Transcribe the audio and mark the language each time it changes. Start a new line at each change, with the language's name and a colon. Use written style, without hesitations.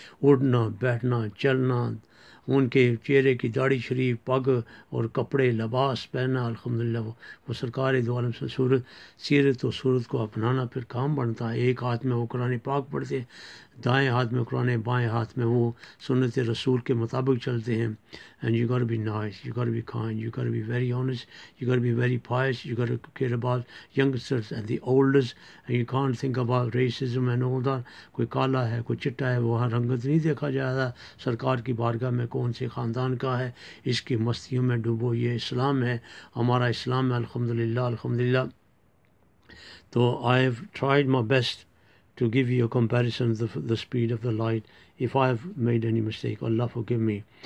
Urdu: اٹھنا, بیٹھنا, چلنا, ان کے چہرے کی داڑھی شریف, پگ اور کپڑے لباس پہننا, الحمدللہ, وہ سرکار دو عالم سے صورت سیرت و صورت کو اپنانا پھر کام بنتا ہے. ایک ہاتھ میں وہ قرآن پاک پڑھتے ہیں, دائیں ہاتھ میں قرآن, بائیں ہاتھ میں وہ سنت رسول کے مطابق چلتے ہیں.
English: And you got be nice, you got be kind, you got be very honest, you got be very pious, you got care about youngsters and the olders, and you can't think about racism and all that.
Urdu: کوئی کالا ہے, کوئی چٹا ہے, وہاں رنگت نہیں دیکھا جاتا. سرکار کی بارگاہ میں کون سے خاندان کا ہے, اس کی مستیوں میں ڈوبو, یہ اسلام ہے, ہمارا اسلام ہے, الحمدللہ, الحمدللہ.
English: تو I have tried my best to give you a comparison of the speed of the light. If I have made any mistake, Allah forgive me.